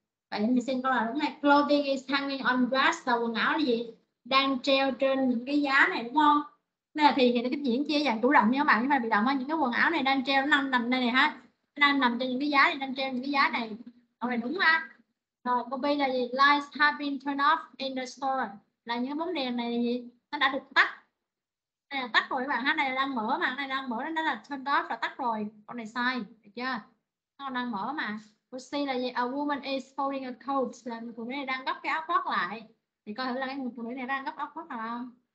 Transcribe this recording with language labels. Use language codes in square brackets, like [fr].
[vi] Vậy mình xin câu là đúng này. [en] Clothing is hanging on grass. [vi] Là quần áo là gì? Đang treo trên những cái giá này đúng không? Nên là thì nó cái diễn chia dạng chủ động nha các bạn, nhưng mà bị động á, những cái quần áo này đang treo nằm nằm đây này ha. Đang nằm trên những cái giá này, đang treo những cái giá này. Câu này đúng ha. Rồi, câu B là gì? [en] Lights have been turned off in the store. [vi] Là những cái bóng đèn này thì nó đã được tắt. Đây là tắt rồi các bạn ha, này đang mở mà, này đang mở nó là turned off là tắt rồi. Câu này sai, được chưa? Nó đang mở mà. Câu C là gì? [en] A woman is folding a coat. [vi] Là người phụ nữ này đang gấp cái áo khoác lại. Thì coi thử là cái người phụ nữ này đang gấp áo khoác nào không?